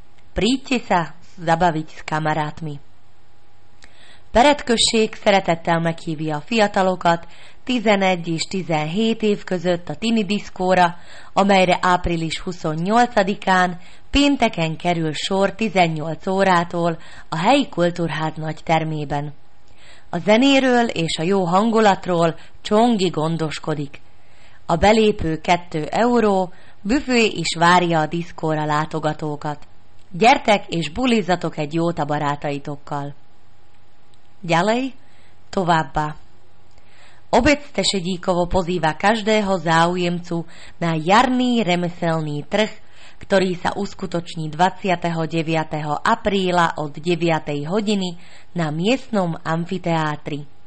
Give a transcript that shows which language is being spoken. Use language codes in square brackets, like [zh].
[sk] Príďte sa zabaviť s kamarátmi. [hu] Peretkösség szeretettel meghívja a fiatalokat 11 és 17 év között a Tini diszkóra, amelyre április 28-án pénteken kerül sor 18 órától a helyi kultúrház nagy termében. A zenéről és a jó hangulatról Csongi gondoskodik. A belépő 2 euró, büfé is várja a diszkóra látogatókat. Gyertek és bulizzatok egy jót a barátaitokkal. [sk] Ďalej, [hu] továbbá. [sk] Obec Tešedíkovo pozýva každého záujemcu na jarný remeselný trh, ktorý sa uskutoční 29. apríla od 9. hodiny na miestnom amfiteátri.